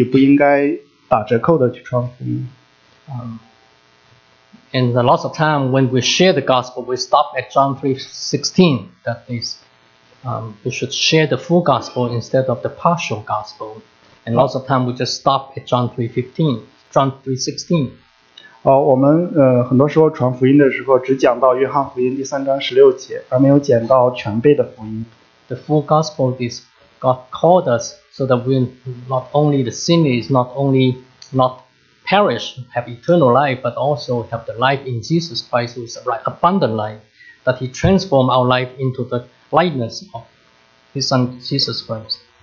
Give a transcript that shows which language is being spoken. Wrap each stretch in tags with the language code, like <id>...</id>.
<zh>我们传福音的时候应该注意，不应该打折扣的去传福音。</zh> <en>And a lot of time when we share the gospel, we stop at John 3:16. That is, we should share the full gospel instead of the partial gospel. And lots of time we just stop at John 3:16.</en> <zh>我们很多时候传福音的时候，只讲到约翰福音第3章16节，而没有讲到全备的福音。</zh> <en>The full gospel is God called us so that we not only the sinner is not only not perish, have eternal life, but also have the life in Jesus Christ, who is like abundant life, that He transformed our life into the likeness of His Son Jesus Christ.</en>